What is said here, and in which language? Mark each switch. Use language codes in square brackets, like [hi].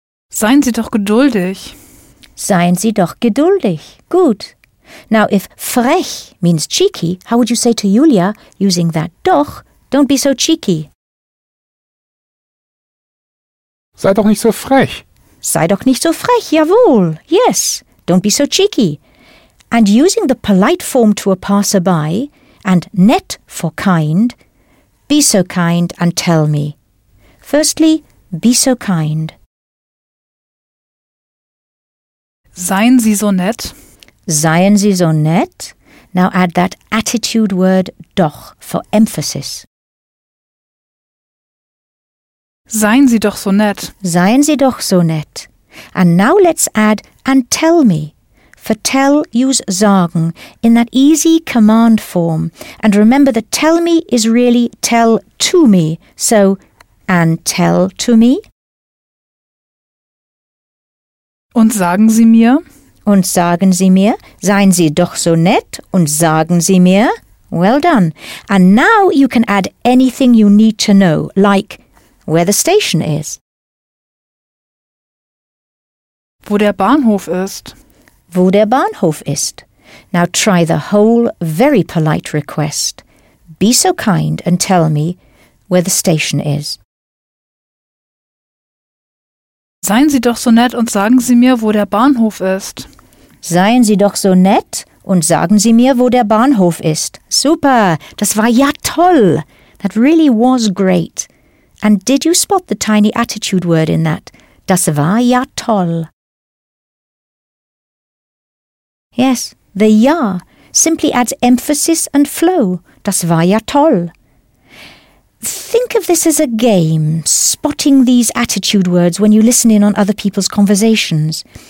[de] Seien Sie doch geduldig. Seien Sie doch geduldig. [en] Good. Now, if frech means cheeky, how would you say to Julia, using that doch, don't be so cheeky? [de] Sei doch nicht so frech. Sei doch nicht so frech, jawohl. [en] Yes, don't be so cheeky. And using the polite form to a passerby and nett for kind, be so kind and tell me. Firstly, be so kind. [de] Seien Sie so nett. Seien Sie so nett. [en] Now add that attitude word doch for emphasis. [de] Seien Sie doch so nett. Seien Sie doch so nett. [en] And now let's add and tell me. For tell, use sagen in that easy command form. And remember that tell me is really tell to me. So, and tell to me. [de] Und sagen Sie mir. Und sagen Sie mir. Seien Sie doch so nett und sagen Sie mir. [en] Well done. And now you can add anything you need to know, like where the station is. [de] Wo der Bahnhof ist. Wo der Bahnhof ist. [en] Now try the whole very polite request. Be so kind and tell me where the station is. [de] Seien Sie doch so nett und sagen Sie mir, wo der Bahnhof ist. Seien Sie doch so nett und sagen Sie mir, wo der Bahnhof ist. Super, das war ja toll. [en] That really was great. And did you spot the tiny attitude word in that? [de] Das war ja toll. [en] Yes, the ja simply adds emphasis and flow. [de] Das war ja toll. [en] Think of this as a game, spotting these attitude words when you listen in on other people's conversations.